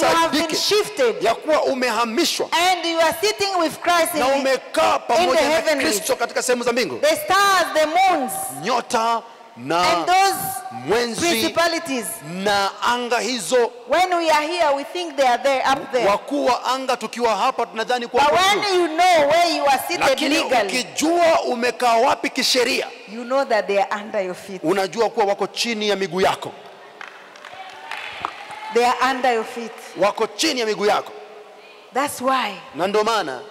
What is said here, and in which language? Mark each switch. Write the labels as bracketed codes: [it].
[en] that you have been shifted, [sw] ya kuwa umehamishwa, [en] and you are sitting with Christ [sw] na umekaa pamoja na Kristo katika sehemu za mbingu, [en] the stars, the moons, [sw] nyota na [en] and those [sw] mwenzi, [en] principalities, [sw] na anga hizo, [en] when we are here we think they are there up there, [sw] wakuwa anga tukiwa hapa tunadhani kwa [en] kwa, but when you know where you are seated legally, [sw] lakini ukijua umekaa wapi kisheria, [en] you know that they are under your feet. [sw] Unajua kuwa wako chini ya miguu yako. [en] They are under your feet. [sw] Wako chini ya miguu yako. [en] That's why, [sw] na ndio maana,